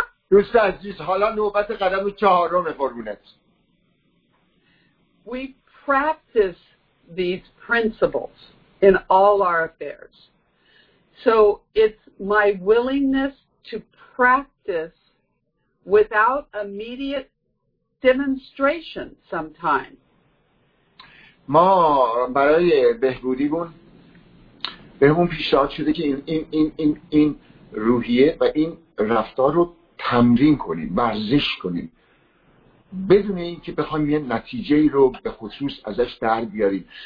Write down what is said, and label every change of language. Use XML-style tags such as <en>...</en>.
<fa>دوست عزیز، حالا نوبت قدم چهارم قربونت.</fa> <en>We practice these principles in all our affairs. So it's my willingness to practice without immediate demonstration sometimes.</en> <fa>ما برای بهبودیمون بهمون پیشنهاد شده که این روحیه و این رفتار رو تمرین کنیم، ورزش کنیم، بدون اینکه بخوایم یه نتیجه ای رو به خصوص ازش در بیاریم.</fa>